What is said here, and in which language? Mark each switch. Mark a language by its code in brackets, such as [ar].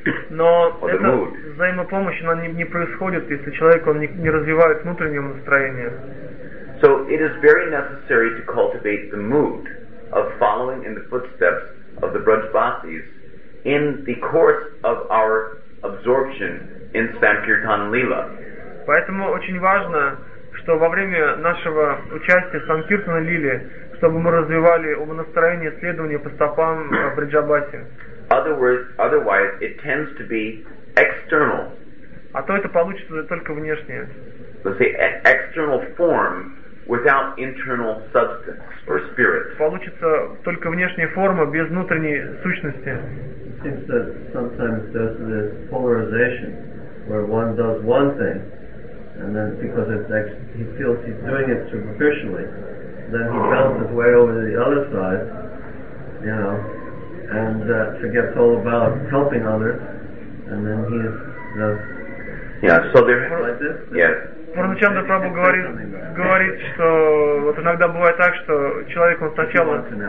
[ru] Но эта взаимопомощь она не происходит, если человек он не развивает внутреннее настроение. [en] So it is very necessary to cultivate the mood of following in the footsteps of the Brajbasis in the course of our absorption in Sankirtan Lila. [ru] Поэтому очень важно, что во время нашего участия в Санкиртана Лиле, чтобы мы развивали умонастроение следования по стопам Бриджабаси. [en] Otherwise, it tends to be external. [ru] А то это получится только внешнее. [en] Let's say external form without internal substance or spirit. [ru] Получится только внешняя форма без внутренней сущности. [en] It seems that sometimes there's this polarization where one does one thing and then because he feels he's doing it superficially, then he bounces way over to the other side, you know, and forgets all about helping others, and then he is the... Yeah, so there... Like this? Yes. [ru] Пурначандра Прабху говорит, что вот иногда бывает так, что человек, он сначала...